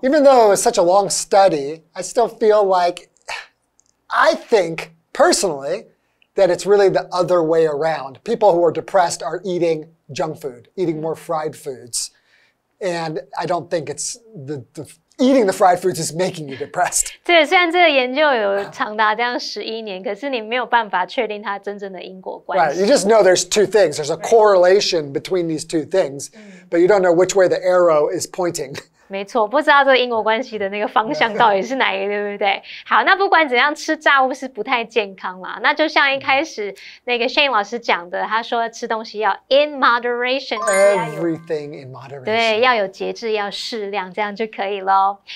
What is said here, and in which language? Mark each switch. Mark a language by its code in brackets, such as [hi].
[en] Even though it was such a long study, I still feel like, I think, personally,that it's really the other way around. People who are depressed are eating junk food, eating more fried foods. And I don't think it's the eating the fried foods is making you depressed. [zh] 对，虽然这个研究有长达这样11年，可是你没有办法确定它真正的因果关系。 [en] Right, you just know there's two things. There's a correlation between these two things, but you don't know which way the arrow is pointing. [zh] 没错，不知道这个因果关系的那个方向到底是哪一个，对不对？好，那不管怎样，吃炸物是不太健康啦。那就像一开始那个 Shane 老师讲的，他说吃东西要 [en] in moderation， everything in moderation， [zh] 对，要有节制，要适量，这样就可以咯。